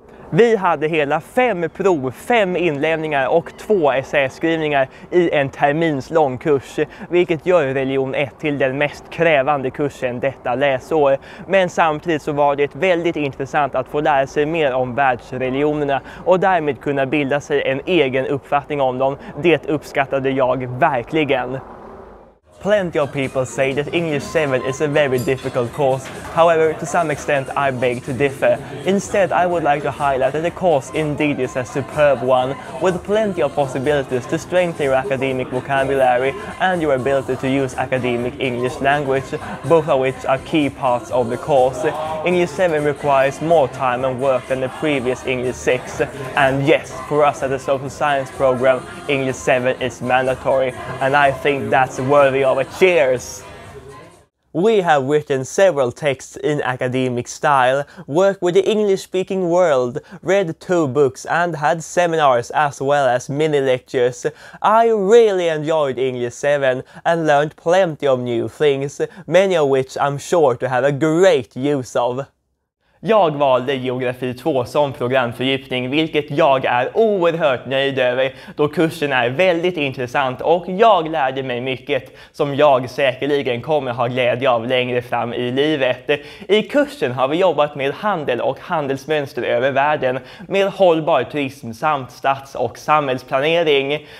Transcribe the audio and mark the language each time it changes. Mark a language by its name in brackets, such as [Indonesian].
[Swedish] Vi hade hela 5 prov, 5 inlämningar och 2 essäskrivningar i en terminslång kurs, vilket gör religion 1 till den mest krävande kursen detta läsår. Men samtidigt så var det väldigt intressant att få lära sig mer om världsreligionerna och därmed kunna bilda sig en egen uppfattning om dem. Det uppskattade jag verkligen. [English] Plenty of people say that English 7 is a very difficult course. However, to some extent, I beg to differ. Instead, I would like to highlight that the course indeed is a superb one, with plenty of possibilities to strengthen your academic vocabulary and your ability to use academic English language, both of which are key parts of the course. English 7 requires more time and work than the previous English 6. And yes, for us at the social science program, English 7 is mandatory, and I think that's worthy of a cheers. We have written several texts in academic style, worked with the English-speaking world, read 2 books and had seminars as well as mini-lectures. I really enjoyed English 7 and learned plenty of new things, many of which I'm sure to have a great use of. [Swedish] Jag valde geografi 2 som programfördjupning, vilket jag är oerhört nöjd över, då kursen är väldigt intressant och jag lärde mig mycket som jag säkerligen kommer ha glädje av längre fram i livet. I kursen har vi jobbat med handel och handelsmönster över världen, med hållbar turism samt stads- och samhällsplanering.